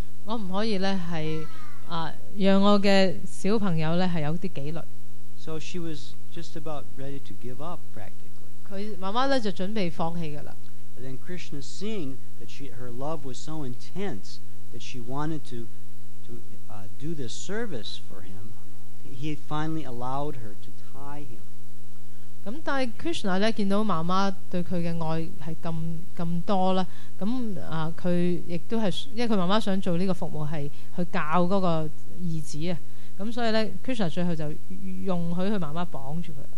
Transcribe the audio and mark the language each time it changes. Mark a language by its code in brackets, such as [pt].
[yue] 我唔可以咧係讓我嘅小朋友咧係有啲紀律。 [en] So she was just about ready to give up practically. [yue] 佢媽媽咧就準備放棄㗎啦。 [en] But then Krishna seeing that her love was so intense that she wanted to do this service for him, he finally allowed her to tie him. [yue] 咁但係 Krishna 咧見到媽媽對佢嘅愛係咁多啦，咁佢亦都係因為佢媽媽想做呢個服務係去教嗰個兒子啊，咁所以咧 Krishna 最後就容許佢媽媽綁住佢。